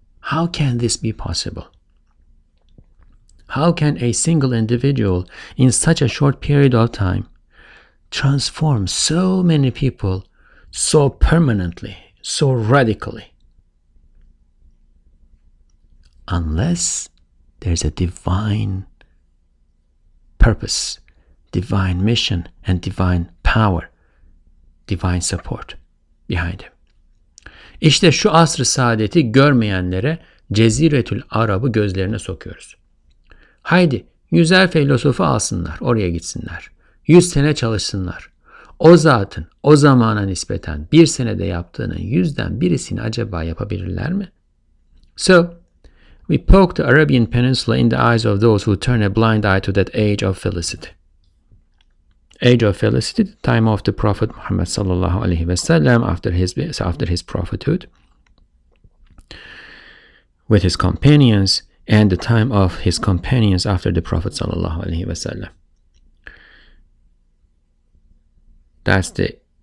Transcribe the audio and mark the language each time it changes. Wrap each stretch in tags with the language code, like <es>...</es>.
<en>How can this be possible? How can a single individual in such a short period of time transform so many people so permanently, so radically? Unless there's a divine purpose, divine mission, and divine power, divine support behind him.</en> <tr>İşte şu asr-ı saadeti görmeyenlere Ceziretül Arab'ı gözlerine sokuyoruz. Haydi, 100'er filozofu alsınlar, oraya gitsinler. 100 sene çalışsınlar. O zatın, o zamana nispeten bir senede yaptığının 100'den birisini acaba yapabilirler mi?</tr> <en>So, we poke the Arabian Peninsula in the eyes of those who turn a blind eye to that age of felicity. Age of felicity, the time of the Prophet Muhammad sallallahu alaihi wasallam, after his prophethood, with his companions, and the time of his companions after the Prophet sallallahu alaihi wasallam. That's the</en>